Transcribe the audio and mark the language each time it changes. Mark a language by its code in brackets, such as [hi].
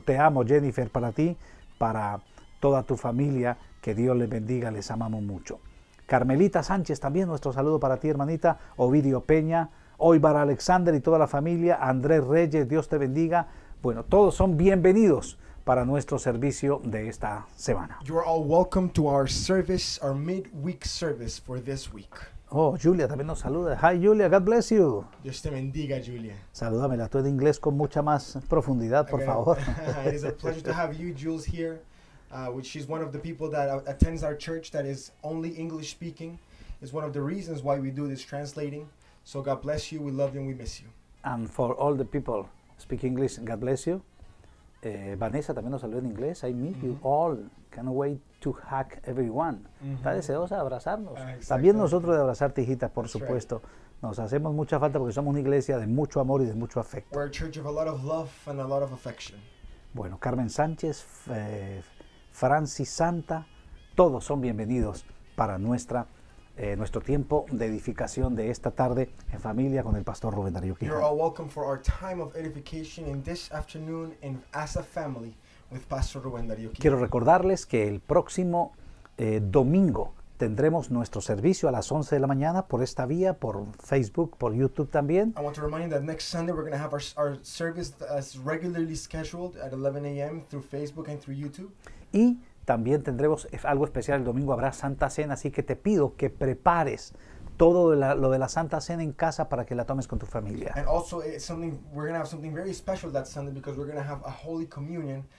[es] Te amo, Jennifer, para ti, para toda tu familia, que Dios les bendiga, les amamos mucho. Carmelita Sánchez, también nuestro saludo para ti, hermanita. Ovidio Peña, Oibar Alexander y toda la familia. Andrés Reyes, Dios te bendiga. Bueno, todos son bienvenidos para nuestro servicio de esta semana. [en] You are all welcome to our service, our midweek service for this week. [es] Oh, Julia también nos saluda. [en] Hi, Julia. God bless you. [es] Dios te bendiga, Julia. Salúdamela. Tú en inglés con mucha más profundidad, por favor. [en] It is a pleasure to have you, Jules, here, which she's one of the people that attends our church that is only English speaking. It's one of the reasons why we do this translating. So God bless you. We love you and we miss you. And for all the people speak English, God bless you. [es] Vanessa también nos saluda en inglés. [en] I meet you all. Can't wait to hug everyone. [es] Está deseosa de abrazarnos. [en] Exactly. [es] También nosotros de abrazar tijitas, por [en] That's [es] supuesto. [en] Right. [es] Nos hacemos mucha falta porque somos una iglesia de mucho amor y de mucho afecto. [en] We're a church of a lot of love and a lot of affection. [es] Bueno, Carmen Sánchez, Francis Santa, todos son bienvenidos para nuestra nuestro tiempo de edificación de esta tarde en familia con el pastor Rubén Darío Quijano. [en] You're all welcome for our time of edification in this afternoon and as a family with Pastor Rubén Darío Quijano. [es] Quiero recordarles que el próximo domingo tendremos nuestro servicio a las 11 de la mañana por esta vía, por Facebook, por YouTube también. [en] I want to remind you that next Sunday we're going to have our service as regularly scheduled at 11 a.m. through Facebook and through YouTube. [es] Y también tendremos algo especial el domingo, habrá Santa Cena, así que te pido que prepares todo lo de la Santa Cena en casa para que la tomes con tu familia. [en] And also, we're going to have something very special that Sunday because we're going to have a Holy Communion.